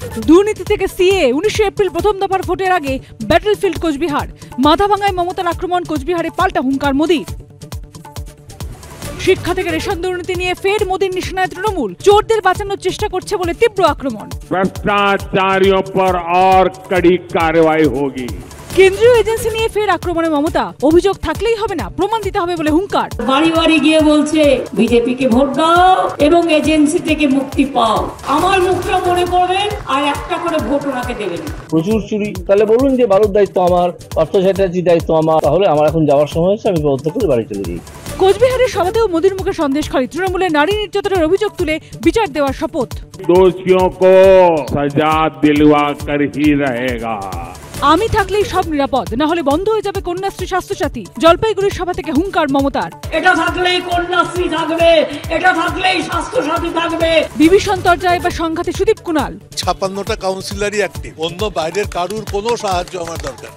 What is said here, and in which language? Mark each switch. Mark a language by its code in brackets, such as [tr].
[bn] দুর্নীতি থেকে CA, 19 April প্রথম দফার ভোটের আগে ব্যাটলফিল্ড কোচবিহার। মাথাভাঙায় মমতার আক্রমণ, কোচবিহারে পাল্টা হুঙ্কার মোদী। শিক্ষা থেকে রেশন দুর্নীতি নিয়ে ফের মোদীর নিশানায় তৃণমূল, চোরদের বাঁচানোর চেষ্টা করছে বলে তীব্র আক্রমণ। [hi] ভ্রষ্টাচারিয়ों पर और कड़ी कार्रवाई होगी। [bn] কেন্দ্রীয় এজেন্সি নিয়ে ফের আক্রমণে মমতা, অভিযোগ থাকলেই হবে না, প্রমাণ দিতে হবে বলে হুঙ্কার। বাড়ি বাড়ি গিয়ে বলছে বিজেপি কে ভোট দাও এবং এজেন্সি থেকে মুক্তি পাও, আমার মুখটা মনে পড়বেন আর একটা করে ভোট ওনাকে দেবেন। প্রচুর চুরি, তাহলে বলুন যে বারুদ দায়িত্ব আমার, অর্থ চ্যাটার্জি দায়িত্ব আমার, তাহলে আমার এখন যাওয়ার সময় হয়েছে, আমি বদ্ধ করে বাড়ি চলে যাই। কোচবিহারের সভাতেও মোদীর মুখে সন্দেশ খালি, তৃণমূলের নারী নির্যাতনের অভিযোগ তুলে বিচার দেওয়ার শপথ। [hi] দোষীয়ों को सजा दिलवा कर ही रहेगा। [bn] আমি থাকলেই সব নিরাপদ, না হলে বন্ধ হয়ে যাবে কন্যাশ্রী স্বাস্থ্যসাথী। জলপাইগুড়ির সভা থেকে হুঙ্কার মমতার, এটা থাকলেই কন্যাশ্রী থাকবে, এটা থাকলেই স্বাস্থ্যসাথী থাকবে। বিভীষণ তর্জায় বা সংঘাতে সুদীপ কুণাল, 56টা কাউন্সিলরই অ্যাক্টিভ, অন্য বাইরের কারুর কোনো সাহায্য আমার দরকার,